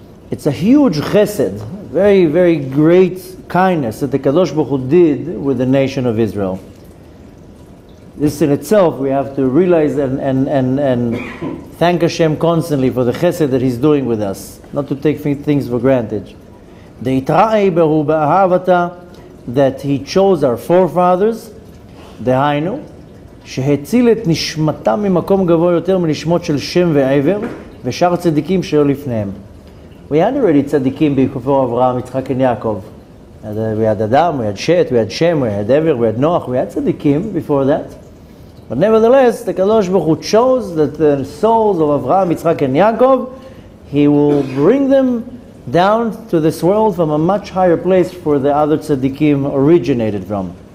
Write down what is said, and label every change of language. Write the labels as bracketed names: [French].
[English] It's a huge chesed, very, very great kindness that the Kadosh Baruch Hu did with the nation of Israel. This in itself we have to realize and thank Hashem constantly for the chesed that he's doing with us, not to take things for granted. [Hebrew] Deitra'ei Beru Ba'ahavata, [English] that he chose our forefathers, [Hebrew] Dehainu, שהציל את נשמתם ממקום גבוה יותר מנשמות של שם ועבר ושאר צדיקים שהיו לפניהם. [English] We had already צדיקים before Avraham, Yitzchak and Yaakov. We had Adam, we had Shet, we had Shem, we had Ever, we had Noach, we had צדיקים before that. But nevertheless, the Kadosh Baruch Hu chose that the souls of Avraham, Yitzchak and Yaakov, he will bring them down to this world from a much higher place for the other צדיקים originated from.